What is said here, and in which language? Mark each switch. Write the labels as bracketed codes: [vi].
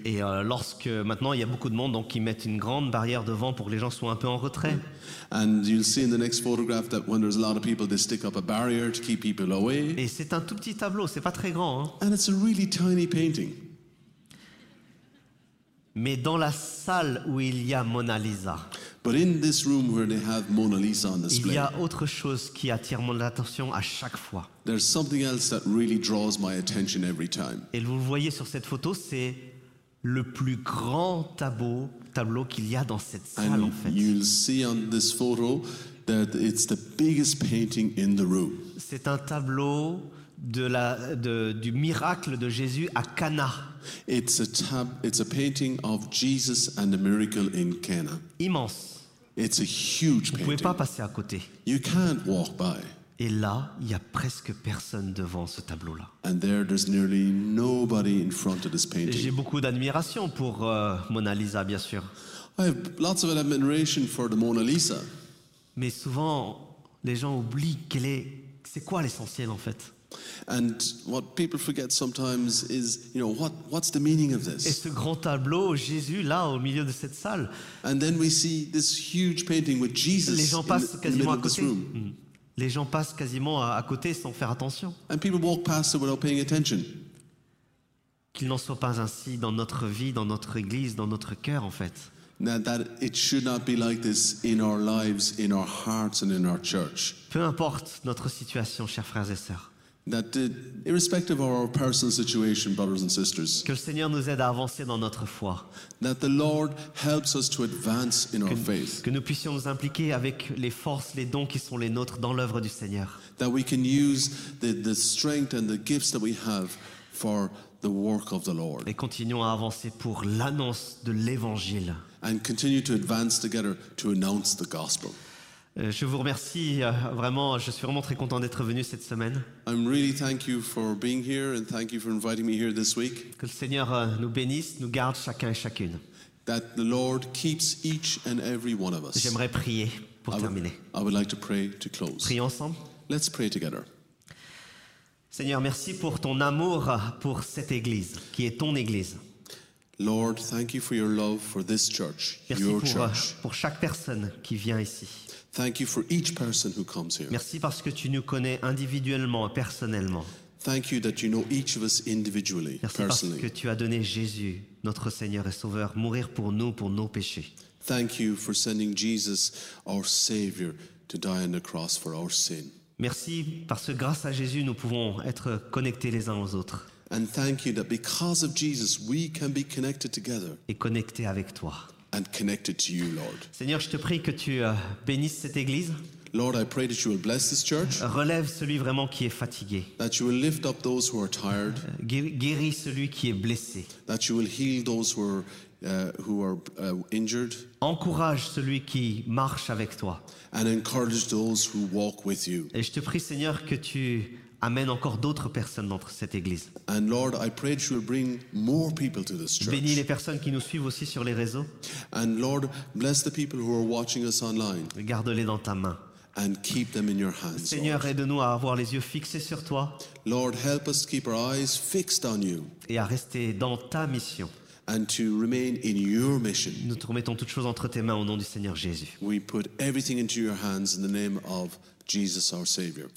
[fr] Et lorsque maintenant il y a beaucoup de monde, donc ils mettent une grande barrière devant pour que les gens soient un peu en retrait. [en] And you'll see in the next photograph that when there's a lot of people, they stick up a barrier to keep people away. [fr] Et c'est un tout petit tableau, c'est pas très grand. Hein. [en] And it's a really tiny painting. [fr] Mais dans la salle où il y a Mona Lisa. [en] But in this room where they have Mona Lisa on display. [fr] Il y a autre chose qui attire mon attention à chaque fois. [en] There's something else that really draws my attention every time. [fr] Et vous le voyez sur cette photo, c'est le plus grand tableau qu'il y a dans cette salle [en] and [fr] en fait. [en] And you'll see on this photo that it's the biggest painting in the room. [fr] C'est un tableau du miracle de Jésus à Cana. [en] It's a painting of Jesus and the miracle in Cana. [fr] Immense. [en] It's a huge painting. [fr] Vous pouvez pas passer à côté. [en] You can't walk by. [fr] Et là, il y a presque personne devant ce tableau-là. [en] And there's nearly nobody in front of this painting. [fr] J'ai beaucoup d'admiration pour Mona Lisa, bien sûr. [en] I have lots of admiration for the Mona Lisa. [fr] Mais souvent, les gens oublient c'est quoi l'essentiel en fait. [en] And what people forget sometimes is, you know, what's the meaning of this? [fr] Et ce grand tableau, Jésus, là, au milieu de cette salle. [en] And then we see this huge painting with Jesus. [fr] Les gens passent quasiment à côté. Mm. Les gens passent quasiment à côté sans faire attention. [en] And people walk past it without paying attention. [fr] Qu'il n'en soit pas ainsi dans notre vie, dans notre église, dans notre cœur, en fait. [en] That it should not be like this in our lives, in our hearts, and in our church. [fr] Peu importe notre situation, chers frères et sœurs. [en] That irrespective of our personal situation, brothers and sisters, [fr] que le Seigneur nous aide à avancer dans notre foi. [en] That the Lord helps us to advance in our faith. [fr] Que nous puissions nous impliquer avec les forces, les dons qui sont les nôtres dans l'œuvre du Seigneur. [en] That we can use the strength and the gifts that we have for the work of the Lord. [fr] Et continuons à avancer pour l'annonce de l'évangile. [en] And continue to advance together to announce the gospel. [fr] Je vous remercie vraiment. Je suis vraiment très content d'être venu cette semaine. [en] I'm really thank you for being here and thank you for inviting me here this week. [fr] Que le Seigneur nous bénisse, nous garde chacun et chacune. [en] That the Lord keeps each and every one of us. [fr] J'aimerais prier pour terminer. [en] I would like to pray to close. [fr] Prions ensemble. [en] Let's pray together. [fr] Seigneur, merci pour ton amour pour cette église, qui est ton église. [en] Lord, thank you for your love for this church, [fr] merci [en] your [fr] pour, [en] church. [fr] Pour chaque personne qui vient ici. [en] Thank you for each person who comes here. [fr] Merci parce que tu nous connais individuellement et personnellement. [en] Thank you that you know each of us individually, [fr] merci [en] personally. [fr] Parce que tu as donné Jésus, notre Seigneur et Sauveur, mourir pour nos péchés. [en] Thank you for sending Jesus, our Savior, to die on the cross for our sin. [fr] Merci parce que grâce à Jésus, nous pouvons être connectés les uns aux autres. [en] And thank you that because of Jesus, we can be connected together. [fr] Et connectés avec toi. [en] And connected to you, Lord. [fr] Seigneur, je te prie que tu bénisses cette église. [en] Lord, I pray that you will bless this church. [fr] Relève celui vraiment qui est fatigué. [en] That you will lift up those who are tired. [fr] Guéris celui qui est blessé. [en] That you will heal those who are injured. [fr] Encourage celui qui marche avec toi. [en] And encourage those who walk with you. [fr] Et je te prie, Seigneur, que tu amènes encore d'autres personnes dans cette église. [en] And Lord, I pray that you will bring more people to this church. [fr] Bénis les personnes qui nous suivent aussi sur les réseaux. [en] And Lord, bless the people who are watching us online. [fr] Garde-les dans ta main. [en] And keep them in your hands. [fr] Seigneur, aide-nous à avoir les yeux fixés sur toi. [en] Lord, help us keep our eyes fixed on you. [fr] Et à rester dans ta mission. [en] And to remain in your mission. [fr] Nous remettons toutes choses entre tes mains au nom du Seigneur Jésus. [en] We put everything into your hands in the name of Jesus, our Savior.